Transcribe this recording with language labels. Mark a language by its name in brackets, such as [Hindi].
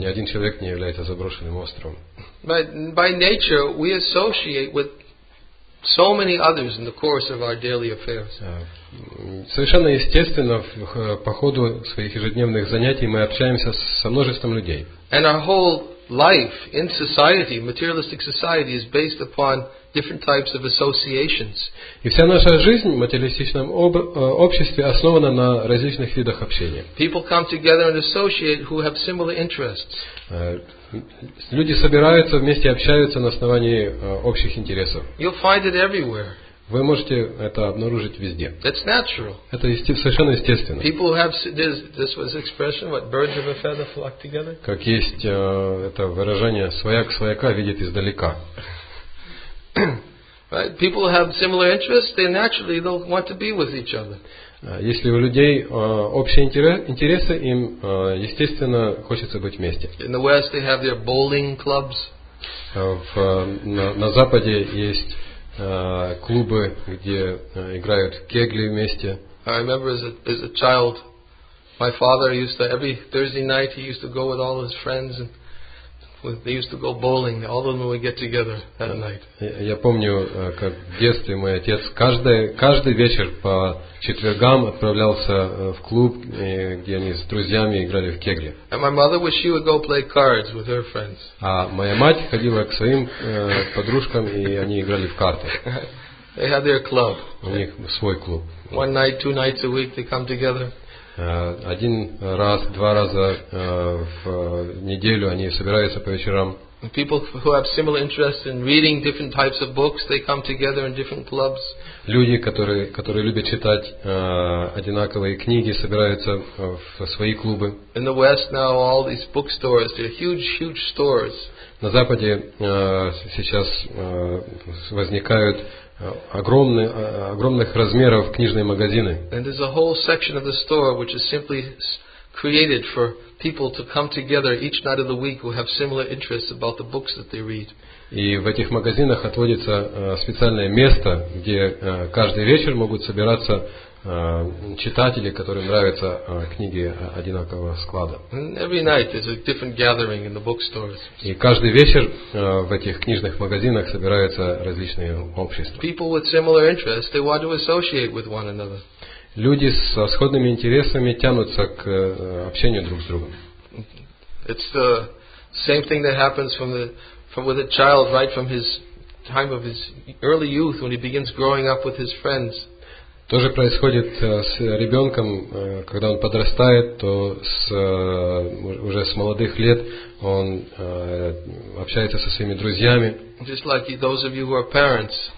[Russian] Ни один человек не является заброшенным островом. [English] By nature we associate with so many others in the course of our daily affairs. [Russian] Совершенно естественно, по ходу своих ежедневных занятий мы общаемся со множеством людей. [English] And our whole life in society, materialistic society, is based upon different types of associations. [Russian] И вся наша жизнь в материалистичном обществе основана на различных видах общения. [English] People come together and associate who have similar interests. [Russian] Люди собираются вместе, общаются на основании общих интересов. [English] You'll find it everywhere. [Russian] Вы можете это обнаружить везде. [English] That's natural. [Russian] Это совершенно естественно. [English] People have this was expression, what birds of a feather flock together. [Russian] Как есть это выражение, свояк свояка видит издалека. [English] Right? People have similar interests, they naturally don't want to be with each other. [Russian] Если у людей общие интересы, им естественно хочется быть вместе. [English] In the West they have their bowling clubs. [Russian] На Западе есть клубы, где играют кегли вместе. [English] I remember as a child, my father used to, every Thursday night he used to go with all his friends and they used to go bowling. All of them would get together at night. [Russian] Я помню, как в детстве мой отец каждый вечер по четвергам отправлялся в клуб, где они с друзьями играли в кегли. [English] And my mother would, she would go play cards with her friends. [Russian] А моя мать ходила к своим подружкам, и они играли в карты. [English] They had their club. [Russian] У них свой клуб. [English] One night, two nights a week they come together. [Russian] Один раз, два раза в неделю они собираются по вечерам. [English] People who have similar interests in reading different types of books, they come together in different clubs. [Russian] Люди, которые любят читать одинаковые книги, собираются в свои клубы. [English] In the West now all these bookstores, they're huge stores. [Russian] На Западе сейчас возникают огромных размеров книжные магазины. [English] And there's a whole section of the store which is simply created for people to come together each night of the week who have similar interests about the books that they read. [Russian] И в этих магазинах отводится специальное место, где каждый вечер могут собираться читатели, которым нравятся книги одинакового склада. [English] Every night there's a different gathering in the bookstores. [Russian] И каждый вечер в этих книжных магазинах собираются различные общества. [English] People with similar interests, they want to associate with one another. [Russian] Люди со сходными интересами тянутся к общению друг с другом. [English] It's the same thing that happens with a child right from his time of his early youth when he begins growing up with his friends. [Russian] То же происходит с ребенком, когда он подрастает, то уже с молодых лет он общается со своими друзьями. [English] Just like those of you who are parents.